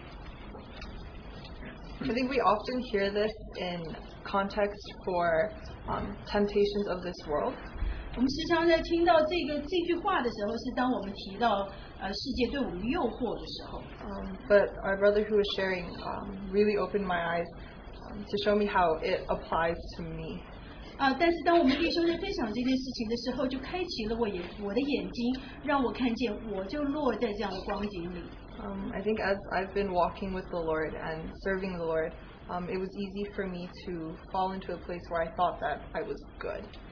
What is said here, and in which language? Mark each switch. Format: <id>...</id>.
<en>I think we often hear this in context for temptations of this world.</en> <zh>我们时常在听到这句话的时候，是当我们提到。</zh> <en>But our brother who was sharing really opened my eyes to show me how it applies to me.</en> <zh>但是当我们弟兄在分享这件事情的时候，就开启了我的眼睛，让我看见我就落在这样的光景里。</zh> <en>I think as I've been walking with the Lord and serving the Lord, it was easy for me to fall into a place where I thought that I was good.</en>